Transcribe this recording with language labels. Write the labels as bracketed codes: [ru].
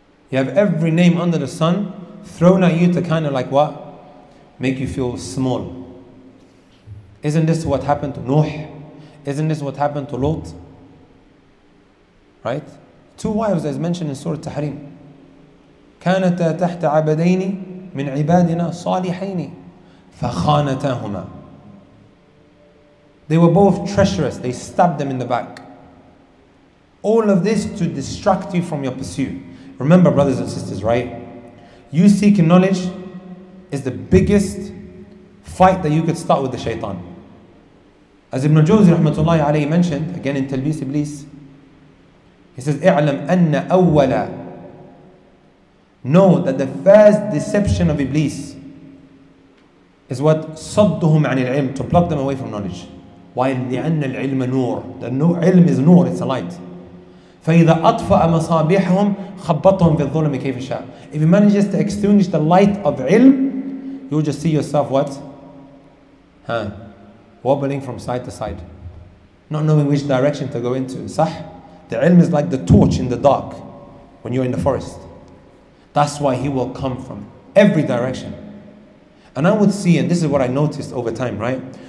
[en] You have every name under the sun thrown at you to kind of like what? Make you feel small. Isn't this what happened to Nuh? Isn't this what happened to Lot? Right? 2 wives as mentioned in Surah Tahrim. [ar] كانتا تحت عبدين من عبادنا صالحين فخانتاهما. [en] They were both treacherous. They stabbed them in the back. All of this to distract you from your pursuit. Remember, brothers and sisters, right? You seeking knowledge is the biggest fight that you could start with the shaitan. As Ibn al-Jawzi rahmatullahi alayhi mentioned, again in Talbis Iblis, he says, [ar] اعلم أن أولا, [en] know that the first deception of Iblis is what? [ar] صدهم عن العلم, [en] to pluck them away from knowledge. [ar] Why? لأن العلم نور. [en] The ilm is نور, it's a light. [ar] فإذا أطفأ مصابيحهم خبطهم في الظلم كيف شاء. [en] If he manages to extinguish the light of ilm, you'll just see yourself what? Huh? Wobbling from side to side, not knowing which direction to go into. Sah? The ilm is like the torch in the dark when you're in the forest. That's why he will come from every direction. And I would see, and this is what I noticed over time, right?